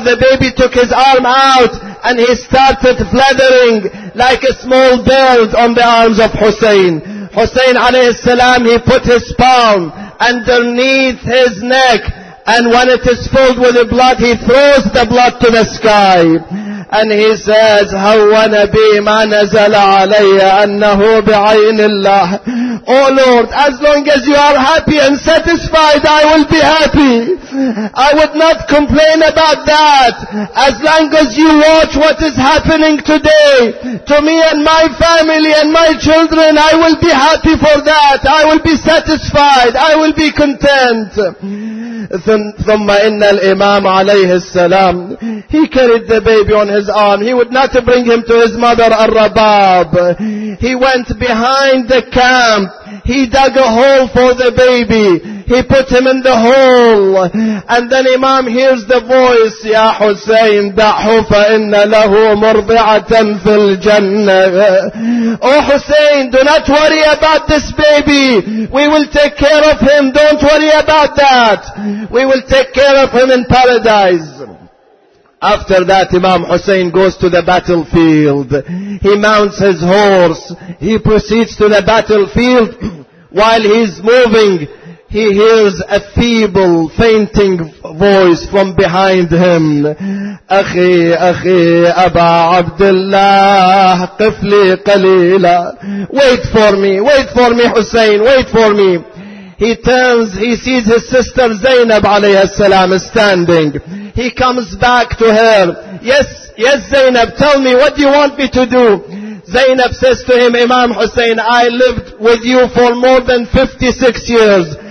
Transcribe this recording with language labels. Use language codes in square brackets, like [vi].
[en] The baby took his arm out and he started fluttering like a small bird on the arms of Hussein. Hussein alayhi salam, he put his palm underneath his neck, and when it is filled with the blood, he throws the blood to the sky. And he says, [ar] هَوَّنَ بِي مَا نَزَلَ عَلَيَّ أَنَّهُ بِعَيْنِ اللَّهِ. [en] Oh Lord, as long as you are happy and satisfied, I will be happy. I would not complain about that. As long as you watch what is happening today to me and my family and my children, I will be happy for that. I will be satisfied. I will be content. [ar] ثم إن الإمام عليه السلام, [en] he carried the baby on his arm. He would not bring him to his mother Al-Rabab. He went behind the camp. He dug a hole for the baby. He put him in the hole. And then Imam hears the voice, [ar] يا حسين دعه فإن له مرضعة في الجنة. [en] Oh Hussein, do not worry about this baby. We will take care of him. Don't worry about that. We will take care of him in paradise. After that, Imam Hussein goes to the battlefield. He mounts his horse. He proceeds to the battlefield. While he's moving, he hears a feeble, fainting voice from behind him. [ar] أخي أخي أبا عبد الله قفلي قليلا. [en] Wait for me. Wait for me, Hussein. Wait for me. He turns. He sees his sister Zainab عليه السلام standing. He comes back to her. Yes, yes, Zainab, tell me, what do you want me to do? Zainab says to him, Imam Hussein, I lived with you for more than 56 years.